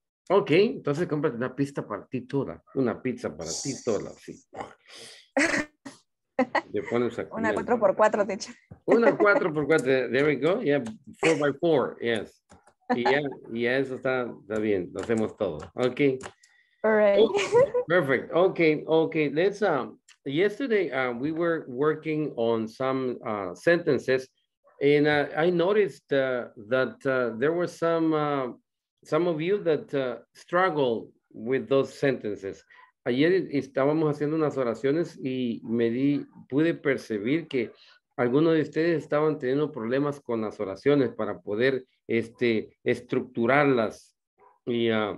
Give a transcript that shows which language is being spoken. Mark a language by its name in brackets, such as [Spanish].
[Spanish] Ok, entonces cómprate una pizza para ti toda. Una pizza para ti toda, sí. Le pones a comer. Una 4x4, teacher. [English] Una 4x4, there we go. Yeah, 4x4, yes. [Spanish] Y ya, yeah, eso está bien, lo hacemos todo. [English] Ok. All right. Oh, perfect. Okay. Let's yesterday we were working on some sentences and I noticed that there were some of you that struggled with those sentences. [Spanish] Ayer estábamos haciendo unas oraciones y pude percibir que algunos de ustedes estaban teniendo problemas con las oraciones para poder estructurarlas y